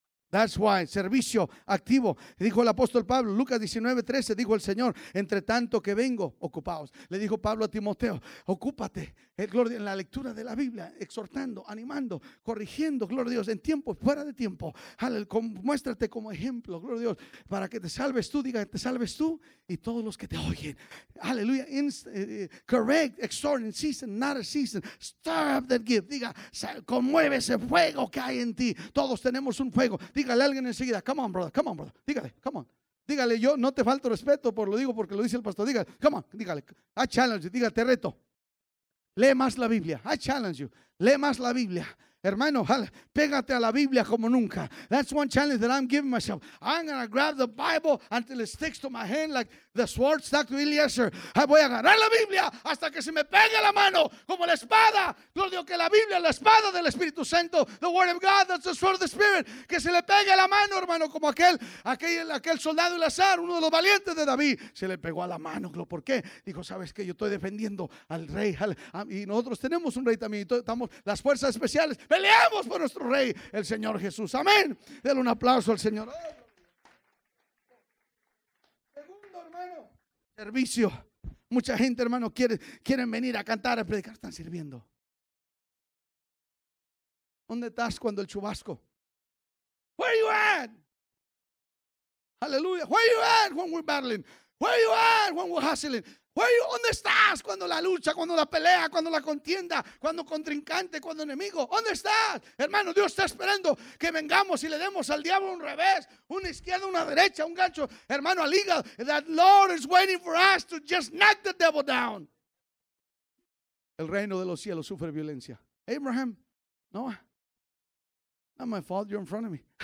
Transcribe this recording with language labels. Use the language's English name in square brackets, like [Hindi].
[English] That's why, [Spanish] servicio activo. Dijo el apóstol Pablo, Lucas 19:13, dijo el Señor, entre tanto que vengo, ocupaos. Le dijo Pablo a Timoteo, ocúpate, gloria, en la lectura de la Biblia, exhortando, animando, corrigiendo, gloria a Dios, en tiempo, fuera de tiempo. Muéstrate como ejemplo, gloria a Dios, para que te salves tú, diga, te salves tú y todos los que te oyen. [English] Aleluya, correct, exhort in season, not a season, stir up that gift. [Spanish] Diga, conmueve ese fuego que hay en ti. Todos tenemos un fuego. Dígale a alguien enseguida, [English] come on, brother, [Spanish] dígale, come on. Dígale, yo no te falto respeto, por lo digo porque lo dice el pastor. Dígale, come on, dígale, [English] I challenge you, [Spanish] dígale, te reto. Lee más la Biblia, I challenge you, lee más la Biblia. Hermano, pégate a la Biblia como nunca. [English] That's one challenge that I'm giving myself. I'm going to grab the Bible until it sticks to my hand like the sword stuck to Eliezer. [Spanish] Voy a agarrar la Biblia hasta que se me pegue la mano como la espada. Gloria a Dios, que la Biblia es la espada del Espíritu Santo. [English] The Word of God, that's the sword of the Spirit. [Spanish] Que se le pegue la mano, hermano, como aquel soldado del azar, uno de los valientes de David. Se le pegó a la mano. ¿Por qué? Dijo, ¿sabes qué? Yo estoy defendiendo al rey. Y nosotros tenemos un rey también. Estamos las fuerzas especiales. Peleamos por nuestro rey, el Señor Jesús. Amén. Denle un aplauso al Señor. Segundo, hermano, servicio. Mucha gente, hermano, quieren venir a cantar, a predicar. Están sirviendo. ¿Dónde estás cuando el chubasco? [English] Where you at? [Spanish] Aleluya. [English] Where you at when we're battling? Where you at when we're hustling? [Spanish] ¿Dónde estás cuando la lucha, cuando la pelea, cuando la contienda, cuando contrincante, cuando enemigo? ¿Dónde estás? Hermano, Dios está esperando que vengamos y le demos al diablo un revés, una izquierda, una derecha, un gancho, hermano, al hígado. [English] That Lord is waiting for us to just knock the devil down. [Spanish] El reino de los cielos sufre violencia. Abraham, Noah, [English] not my fault, you're in front of me.